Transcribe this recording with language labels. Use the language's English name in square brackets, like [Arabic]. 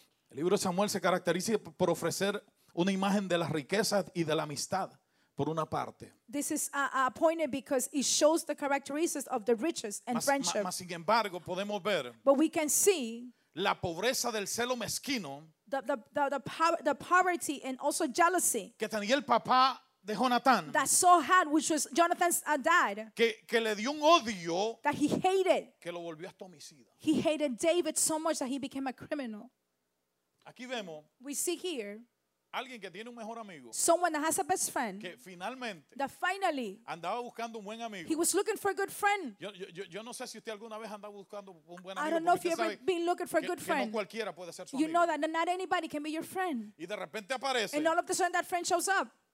[Spanish] El libro de Samuel se caracteriza por ofrecer una imagen de las riquezas y de la amistad, por una parte. [English] This is appointed because it shows the characteristics of the riches and friendship. [Spanish] Mas, sin embargo, podemos ver, [English] but we can see, [Spanish] la pobreza del celo mezquino, [English] the poverty and also jealousy, [Spanish] que tenía el papá de Jonathan, [English] that Saul had, which was Jonathan's dad, [Spanish] que le dio un odio, [English] that he hated, [Spanish] que lo volvió hasta homicida. [English] He hated David so much that he became a criminal. [Spanish] Aquí vemos, [English] we see here, [Spanish] alguien que tiene un mejor amigo. [English] Someone that has a best friend. [Spanish] Que finalmente. [English] That finally. [Spanish] Andaba buscando un buen amigo. [English] He was looking for a good friend. [Spanish] Yo no sé si usted alguna vez andaba buscando un buen amigo. [English] I don't know if you've ever been looking for a good friend. [Spanish] Que no cualquiera puede ser su amigo. [English] You know that not anybody can be your friend. [Spanish] Y de repente aparece. [English] And all of a sudden that friend shows up.